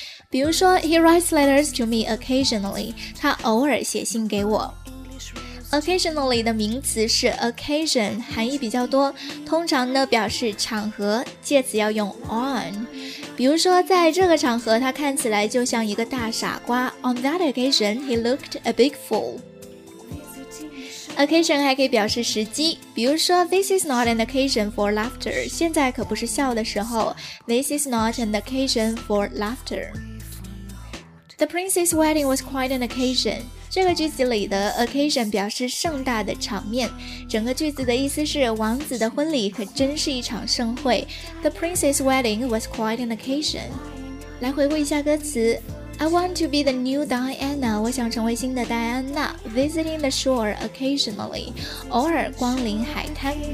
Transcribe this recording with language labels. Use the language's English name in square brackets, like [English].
[Chinese] 比如说 [English] He writes letters to me occasionally， [Chinese] 他偶尔写信给我。 Occasionally 的名词是 occasion， 含义比较多，通常呢表示场合，介词要用 on。比如说在这个场合他看起来就像一个大傻瓜， [English] On that occasion he looked a big fool。 [Chinese] Occasion 还可以表示时机，比如说 [English] This is not an occasion for laughter， [Chinese] 现在可不是笑的时候。 [English] This is not an occasion [Chinese] for laughter。 The prince's wedding was quite an occasion，这个句子里的 occasion 表示盛大的场面，整个句子的意思是王子的婚礼可真是一场盛会。 [English] The prince's wedding was quite an occasion。 [Chinese] 来回顾一下歌词， [English] I want to be the new Diana， [Chinese] 我想成为新的戴安娜， [English] visiting the shore occasionally， [Chinese] 偶尔光临海滩。